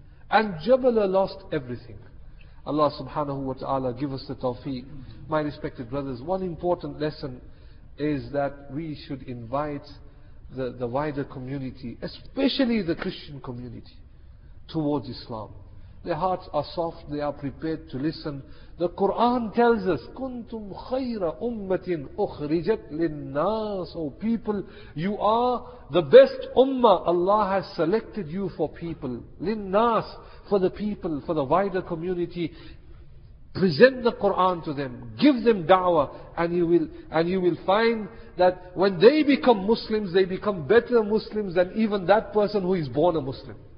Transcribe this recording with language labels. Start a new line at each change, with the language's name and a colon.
English: And Jabala lost everything. Allah subhanahu wa ta'ala give us the tawfiq. My respected brothers, one important lesson is that we should invite the wider community, especially the Christian community, towards Islam. Their hearts are soft, they are prepared to listen. The Quran tells us,
Arabic: كُنْتُمْ خَيْرَ أُمَّةٍ أُخْرِجَتْ لِلنَّاسِ.
English: O people, you are the best ummah. Allah has selected you for people. لِلنَّاسِ, for the people, for the wider community. Present the Quran to them. Give them da'wah. And you will find that when they become Muslims, they become better Muslims than even that person who is born a Muslim.